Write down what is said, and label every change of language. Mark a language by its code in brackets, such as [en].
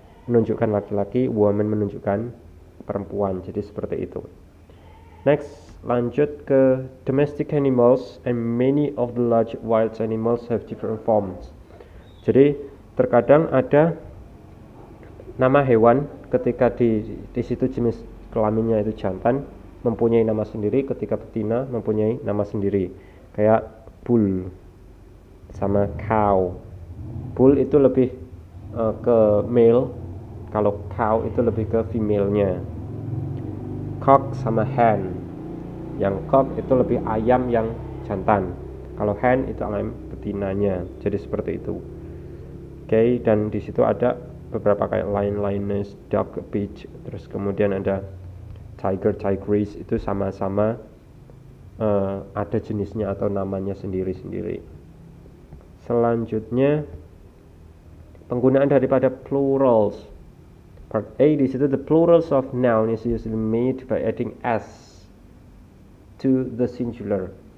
[id] menunjukkan laki-laki, woman menunjukkan perempuan. Jadi seperti itu. [en] Next, [id] lanjut ke [en] domestic animals, and many of the large wild animals have different forms. [id] Jadi terkadang ada nama hewan ketika di situ jenis kelaminnya itu jantan mempunyai nama sendiri, ketika betina mempunyai nama sendiri. Kayak bull sama cow. Bull itu lebih ke male, kalau cow itu lebih ke female-nya. Cock sama hen. Yang cock itu lebih ayam yang jantan. Kalau hen itu ayam betinanya. Jadi seperti itu. Oke, okay, dan di situ ada beberapa kayak lion-lioness, dog, peach, terus kemudian ada tiger, tigress, itu sama-sama ada jenisnya atau namanya sendiri-sendiri. Selanjutnya, penggunaan daripada plurals. [en] Part A, [id] di situ [en] the plurals of noun is usually made by adding s to the singular.